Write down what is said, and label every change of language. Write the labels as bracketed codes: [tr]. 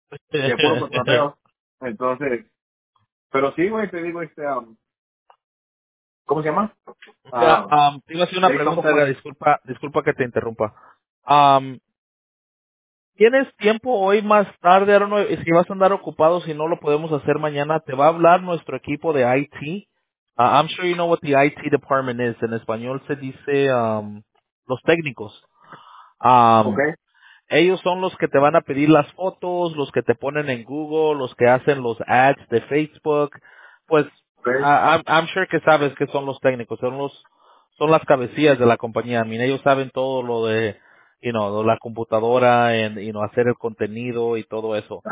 [es] Que puro cotorreo. Entonces, pero sí, güey, te digo, ¿cómo se llama? Te iba a hacer una pregunta, disculpa que te interrumpa. ¿Tienes tiempo hoy más tarde? No, es que vas a andar ocupado, si no lo podemos hacer mañana. ¿Te va a hablar nuestro equipo de IT? [en] I'm sure you know what the IT department is. [es] En español se dice los técnicos. Okay. Ellos son los que te van a pedir las fotos, los que te ponen en Google, los que hacen los ads de Facebook. Pues... [en] I'm sure [es] que sabes que son los técnicos, son las cabecillas de la compañía. [en] I mean, [es] ellos saben todo lo de, [en] you know, [es] la computadora y, you know, hacer el contenido y todo eso.